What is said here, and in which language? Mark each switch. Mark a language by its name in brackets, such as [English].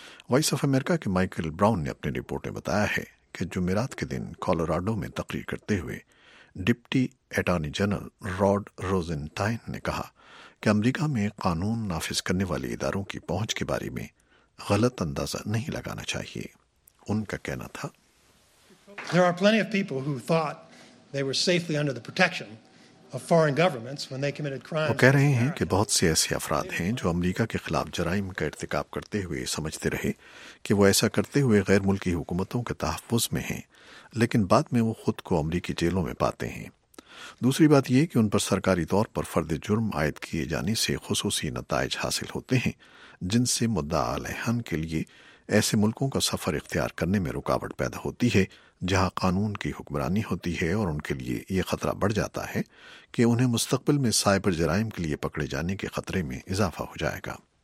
[Urdu] Voice of America کے Michael brown نے اپنی رپورٹ میں بتایا ہے کہ جمعرات کے دن کولوراڈو میں تقریر کرتے ہوئے ڈپٹی اٹارنی جنرل راڈ روزنٹائن نے کہا کہ امریکہ میں قانون نافذ کرنے والے اداروں کی پہنچ کے بارے میں غلط اندازہ نہیں لگانا چاہیے۔ ان کا کہنا تھا، [English] There are plenty of people who thought they were safely under the protection of foreign governments when they committed crimes. [Urdu] وہ کہہ رہے ہیں کہ بہت سے ایسے افراد ہیں جو امریکہ کے خلاف جرائم کا ارتکاب کرتے ہوئے سمجھتے رہے کہ وہ ایسا کرتے ہوئے غیر ملکی حکومتوں کے تحفظ میں ہیں، لیکن بعد میں وہ خود کو امریکی جیلوں میں پاتے ہیں۔ دوسری بات یہ کہ ان پر سرکاری طور پر فرد جرم عائد کیے جانے سے خصوصی نتائج حاصل ہوتے ہیں جن سے مدعا علیحان کے لیے ایسے ملکوں کا سفر اختیار کرنے میں رکاوٹ پیدا ہوتی ہے جہاں قانون کی حکمرانی ہوتی ہے، اور ان کے لیے یہ خطرہ بڑھ جاتا ہے کہ انہیں مستقبل میں سائبر جرائم کے لیے پکڑے جانے کے خطرے میں اضافہ ہو جائے گا۔